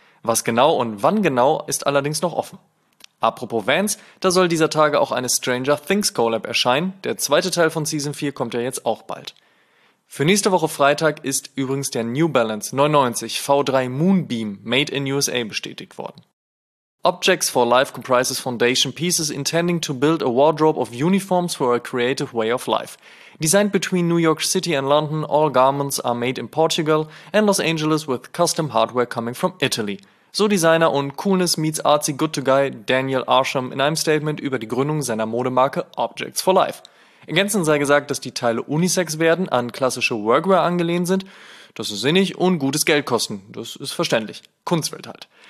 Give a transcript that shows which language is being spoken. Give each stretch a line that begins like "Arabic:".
German: Was genau und wann genau ist allerdings noch offen. Apropos Vans, da soll dieser Tage auch eine Stranger Things Collab erscheinen. Der zweite Teil von Season 4 kommt ja jetzt auch bald. Für nächste Woche Freitag ist übrigens der New Balance 99 V3 Moonbeam Made in USA bestätigt worden.
English: Objects for Life comprises foundation pieces intending to build a wardrobe of uniforms for a creative way of life. Designed between New York City and London, all garments are made in Portugal and Los Angeles with custom hardware coming from Italy.
German: So Designer und Coolness
English: meets artsy good-to-guy
German: Daniel Arsham in einem Statement über die Gründung seiner Modemarke Objects for Life. Ergänzend sei gesagt, dass die Teile unisex werden, an klassische Workwear angelehnt sind. Das ist sinnig und gutes Geld kosten. Das ist verständlich. Kunstwelt halt.